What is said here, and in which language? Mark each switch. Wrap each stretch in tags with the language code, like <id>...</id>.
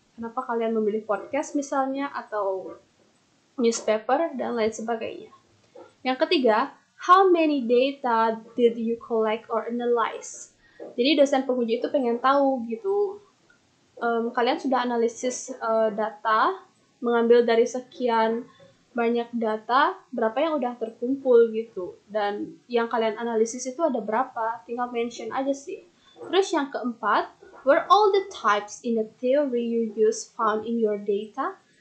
<id>Kenapa kalian memilih podcast misalnya atau newspaper dan lain sebagainya. Yang ketiga,</id> <en>how many data did you collect or analyze?</en> <id>Jadi dosen penguji itu pengen tahu gitu, kalian sudah analisis data, mengambil dari sekian banyak data, berapa yang udah terkumpul gitu, dan yang kalian analisis itu ada berapa, tinggal mention aja sih. Terus yang keempat,</id> <en>were all the types in the theory you use found in your data?</en>